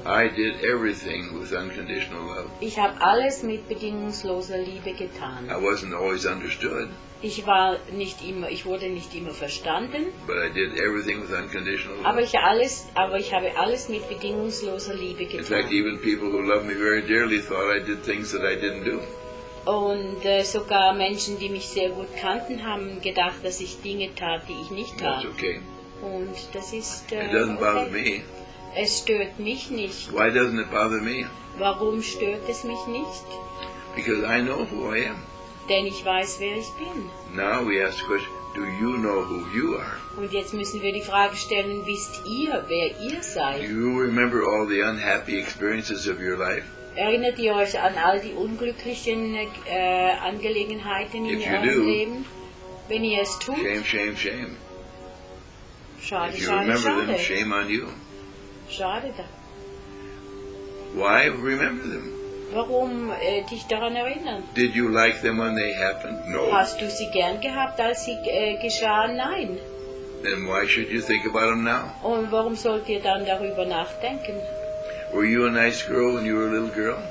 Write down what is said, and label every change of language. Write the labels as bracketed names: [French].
[English] I did everything with unconditional love. [German] Ich habe alles mit bedingungsloser Liebe getan. [English] I wasn't always understood. [German] Ich wurde nicht immer verstanden. [English] But I did everything with unconditional love. [German] Aber ich habe alles mit bedingungsloser Liebe getan. [English] In fact, even people who love me very dearly thought I did things that I didn't do. [German] Und sogar Menschen, die mich sehr gut kannten, haben gedacht, dass ich Dinge tat, die ich nicht tat. [English] That's okay. [German] Und das ist [English] it doesn't bother me. [German] Es stört mich nicht. [English] Why doesn't it bother me? [German] Warum stört es mich nicht? [English] Because I know who I am. [German] Denn ich weiß, wer ich bin. [English] Now we ask the question, do you know who you are? [German] Und jetzt müssen wir die Frage stellen, wisst ihr, wer ihr seid? [English] Do you remember all the unhappy experiences of your life? [German] Erinnert ihr euch an all die unglücklichen Angelegenheiten in eurem Leben? Wenn ihr es tut, [English] shame, shame, shame. [German] Schade, [English] if you remember [German] schade. [English] Them, shame on you. [German] Schade da. [English] Why remember them? [German] Warum dich daran erinnern? [English] Did you like them when they happened? No. [German] Hast du sie gern gehabt, als sie geschahen? Nein. [English] Then why should you think about them now? [German] Und warum sollt ihr dann darüber nachdenken? [English] Were you a nice girl when you were a little girl?